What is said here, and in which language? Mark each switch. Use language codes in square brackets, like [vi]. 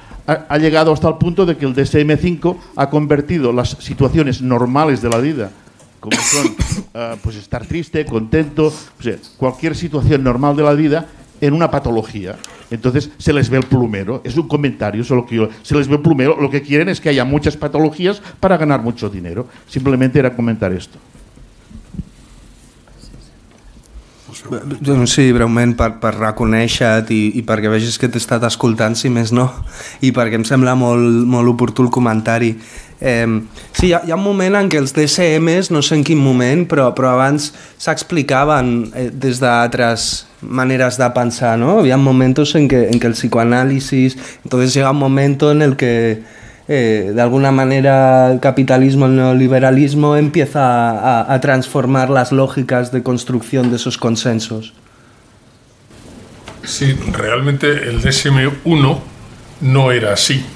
[es] Ha llegado hasta el punto de que el DSM-5 ha convertido las situaciones normales de la vida, como son pues estar triste, contento, o sea, cualquier situación normal de la vida, en una patología. Entonces se les ve el plumero, es un comentario, eso es lo que yo, se les ve el plumero, lo que quieren es que haya muchas patologías para ganar mucho dinero. Simplemente era comentar esto. [ca] Doncs sí, breument, per reconèixer-te i perquè vegis que t'he estat escoltant, si més no, i perquè em sembla molt, molt oportú el comentari. Sí, hi ha un moment en què els DSMs, no sé en quin moment, però abans s'explicaven des d'altres maneres de pensar, no? Hi ha moments en què el psicoanàlisi... [es] Entonces llega un moment en el que, [ca] d'alguna manera, [es] el capitalismo, el neoliberalismo empieza a transformar las lógicas de construcción de esos consensos. Sí, realmente el DSM-1 no era así.